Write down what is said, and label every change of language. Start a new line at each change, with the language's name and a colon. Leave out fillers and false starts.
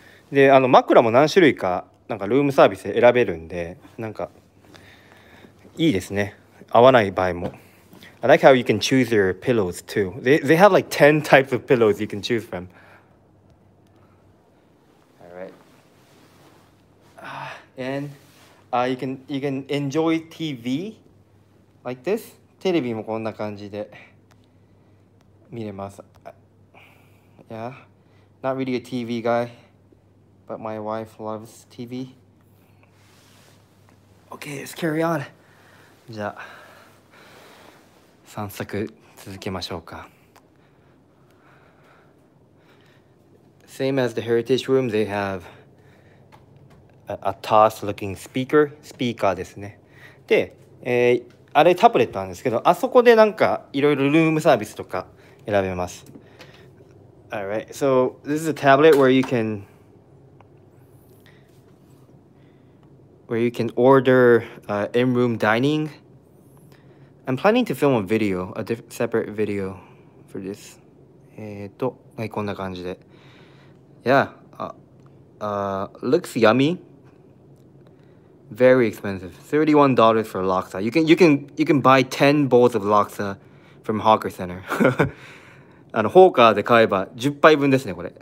Japanese: で、枕も何種類か、なんかルームサービスで選べるんで、なんか、いいですね。合わない場合も。
English: I like how you can choose your pillows too. They have like 10 types of pillows you can choose from. Alright. And, you can enjoy TV like this.
Japanese: テレビもこんな感じで見れます。
English: Yeah. Not really a TV guy. But my wife loves TV. Okay, let's carry on.
Japanese: じゃあ、散策続けましょうか。
English: Same as the heritage room, they have a toss looking speaker ですね。
Japanese: で、あれタブレットなんですけど、あそこでなんかいろいろルームサービスとか選べます。
English: All right, so this is a tablet where you canWhere you can order in-room dining. I'm planning to film a video, a separate video for this.
Japanese: はい、こんな感じで。
English: Yeah, looks yummy. Very expensive. $31 for laksa. You can buy 10 bowls of laksa from Hawker Center.
Japanese: ホーカーで買えば10杯分ですね、これ。